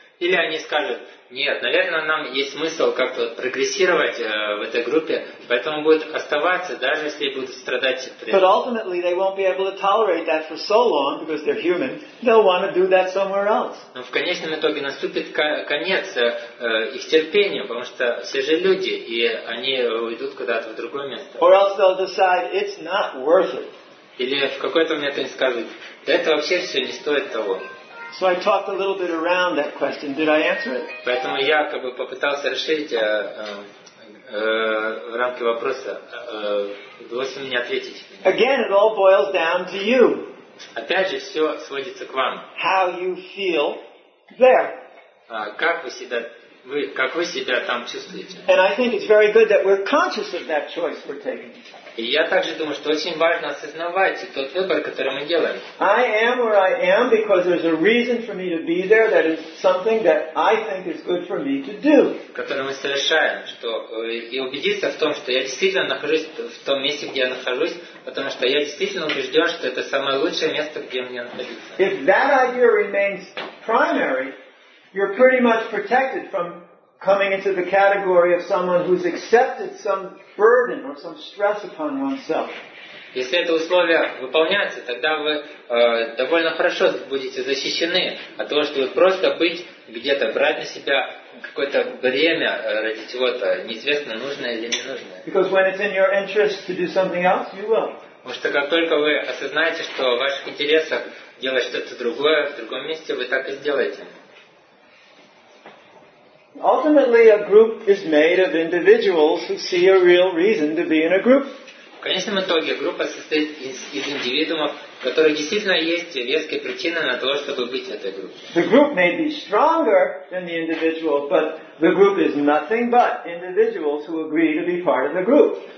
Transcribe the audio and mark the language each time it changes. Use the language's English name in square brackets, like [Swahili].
[Russian] Или они скажут, нет, наверное, нам есть смысл как-то прогрессировать в этой группе, поэтому будут оставаться, даже если будут страдать. [English] But ultimately they won't be able to tolerate that for so long, because they're human, they'll want to do that somewhere else. [Russian] Но в конечном итоге наступит конец их терпению, потому что все же люди, и они уйдут куда-то в другое место. [English] Or else they'll decide it's not worth it. [Russian] Или в какой-то момент они скажут, да это вообще все не стоит того. [English] So I talked a little bit around that question. Did I answer it? [Russian] Поэтому я как бы попытался решить в рамки вопроса. Удалось ли мне ответить? [English] Again, it all boils down to you. [Russian] Опять же, все сводится к вам. [English] How you feel there. [Russian] Как вы себя там чувствуете? [English] And I think it's very good that we're conscious of that choice we're taking. [Russian] И я также думаю, что очень важно осознавать тот выбор, который мы делаем. [English] I am where I am because there's a reason for me to be there. That is something that I think is good for me to do. [Russian] Который мы совершаем, что и убедиться в том, что я действительно нахожусь в том месте, где я нахожусь, потому что я действительно убежден, что это самое лучшее место, где мне находиться. [English] If that idea remains primary, you're pretty much protected from coming into the category of someone who's accepted some burden or some stress upon oneself. [Russian] Если это условие выполняется, тогда вы довольно хорошо будете защищены от того, чтобы просто быть где-то, брать на себя какое-то бремя ради чего-то, неизвестно, нужное или ненужное. [English] Because when it's in your interest to do something else, you will. [Russian] Потому что как только вы осознаете, что в ваших интересах делать что-то другое, в другом месте, вы так и сделаете. [English] Ultimately, a group is made of individuals who see a real reason to be in a group. [Russian] В конечном итоге группа состоит из индивидуумов, которые действительно есть веская причина на то, чтобы быть в этой группе. [English] The group may be stronger than the individual, but the group is nothing but individuals who agree to be part of the group.